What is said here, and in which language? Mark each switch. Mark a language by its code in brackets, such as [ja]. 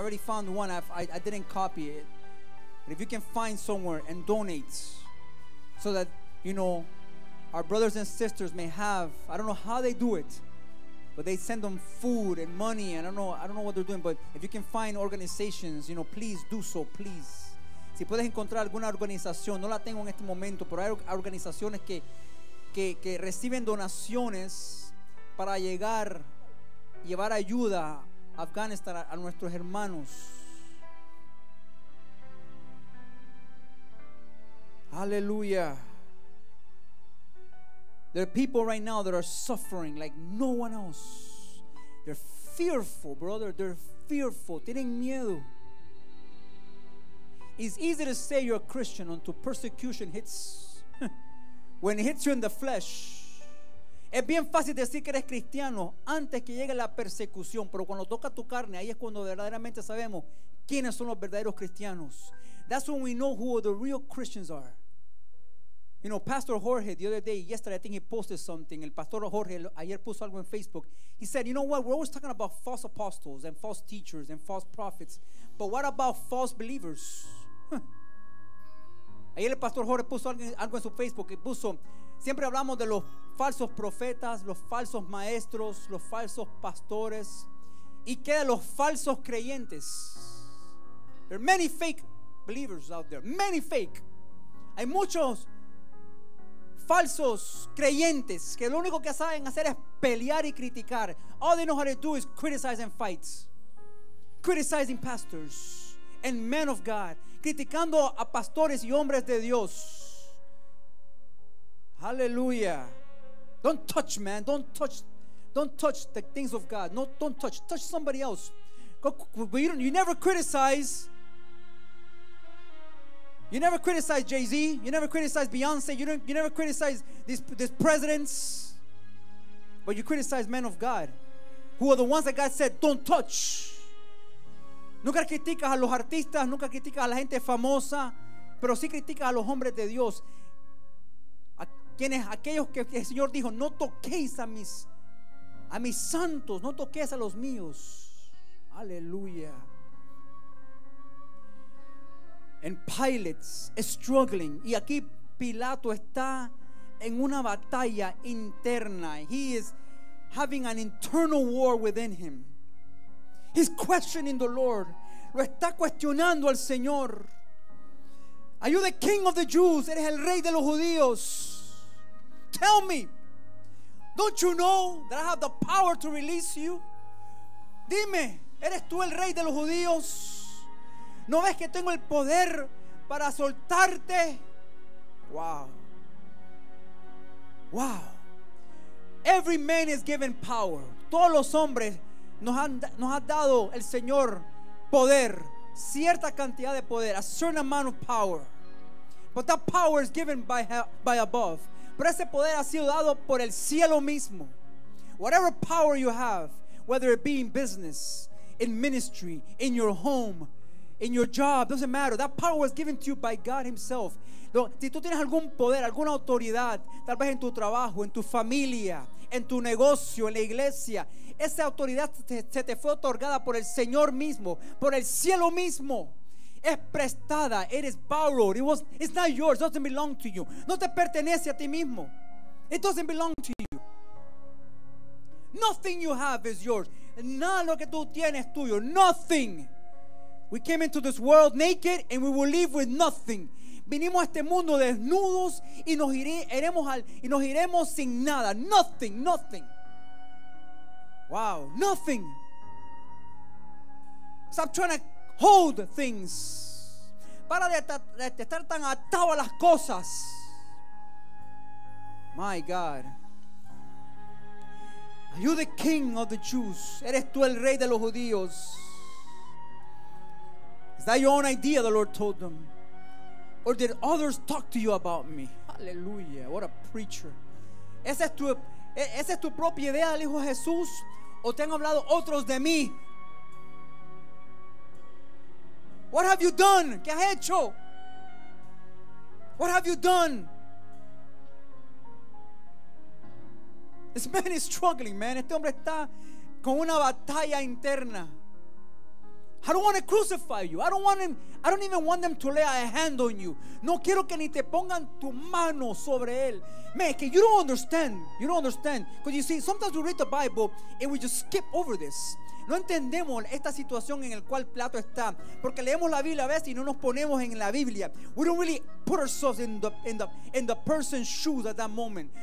[en] I already found one, I didn't copy it. But if you can find somewhere and donate so that, you know, our brothers and sisters may have, I don't know how they do it, but they send them food and money. And I don't know what they're doing, but if you can find organizations, you know, please do so, please. [es] Si puedes encontrar alguna organización, no la tengo en este momento, pero hay organizaciones que reciben donaciones para llevar ayuda a Afganistán, a nuestros hermanos. Aleluya. [en] There are people right now that are suffering like no one else. They're fearful, brother. They're fearful. [es] Tienen miedo. [en] It's easy to say you're a Christian until persecution hits. When it hits you in the flesh. [es] Es bien fácil decir que eres cristiano antes que llegue la persecución. Pero cuando toca tu carne, ahí es cuando verdaderamente sabemos quiénes son los verdaderos cristianos. [en] That's when we know who the real Christians are. You know, Pastor Jorge, the other day, yesterday, I think he posted something. [es] El Pastor Jorge ayer puso algo en Facebook. [en] He said, you know what? We're always talking about false apostles and false teachers and false prophets. But what about false believers? [es] Ayer el Pastor Jorge puso algo en su Facebook. Y puso, siempre hablamos de los falsos profetas, los falsos maestros, los falsos pastores. ¿Y qué de los falsos creyentes? [en] There are many fake believers out there. Many fake. [es] Hay muchos falsos creyentes que lo único que saben hacer es pelear y criticar. [en] All they know how to do is criticize and fight. Criticizing pastors and men of God. [es] Criticando a pastores y hombres de Dios. [en] Hallelujah. Don't touch, man. Don't touch the things of God. No, don't touch. Touch somebody else. But you never criticize. You never criticize Jay-Z. You never criticize Beyonce. You never criticize these presidents. But you criticize men of God, who are the ones that God said, don't touch. [es] Nunca criticas a los artistas. Nunca criticas a la gente famosa. Pero sí criticas a los hombres de Dios. Aquellos que el Señor dijo, no toquéis a mis santos. No toquéis a los míos. Aleluya. [en] And Pilate's struggling. [es] Y aquí Pilato está en una batalla interna. [en] He is having an internal war within him. He's questioning the Lord. [es] Lo está cuestionando al Señor. [en] Are you the king of the Jews? [es] Eres el rey de los judíos. [en] Tell me. Don't you know that I have the power to release you? [es] Dime, ¿eres tú el rey de los judíos? ¿No ves que tengo el poder para soltarte? Wow. [en] Wow. Every man is given power. [es] Todos los hombres nos ha dado el Señor poder. Cierta cantidad de poder. [en] A certain amount of power. But that power is given by above. [es] Pero ese poder ha sido dado por el cielo mismo. [en] Whatever power you have, whether it be in business, in ministry, in your home, in your job, doesn't matter. That power was given to you by God himself. [es] Si tú tienes algún poder, alguna autoridad, tal vez en tu trabajo, en tu familia, en tu negocio, en la iglesia. Esa autoridad se te fue otorgada por el Señor mismo, por el cielo mismo. Es prestada. [en] It is borrowed. It's not yours. It doesn't belong to you. [es] No te pertenece a ti mismo. [en] It doesn't belong to you. Nothing you have is yours. [es] Nada lo que tú tienes es tuyo. [en] Nothing. We came into this world naked and we will leave with nothing. [es] Vinimos a este mundo desnudos y nos iremos sin nada. [en] Nothing, nothing. Wow, nothing. Stop trying to hold things. [es] Para de estar tan atado a las cosas. [en] My God. Are you the king of the Jews? [es] ¿Eres tú el rey de los judíos? [en] Is that your own idea, the Lord told them? Or did others talk to you about me? Hallelujah, what a preacher. [es] ¿Esa es tu propia idea, le dijo Jesús? ¿O te han hablado otros de mí? [en] What have you done? [es] ¿Qué has hecho? [en] What have you done? This man is struggling, man. [es] Este hombre está con una batalla interna. [en] I don't want to crucify you. I don't even want them to lay a hand on you. [es] No quiero que ni te pongan tu mano sobre él. [en] Man, que you don't understand. You don't understand. Because you see, sometimes we read the Bible and we just skip over this. [es] No entendemos esta situación en la cual Pilato está. Porque leemos la Biblia a veces y no nos ponemos en la Biblia. [en] We don't really put ourselves in the person's shoes at that moment.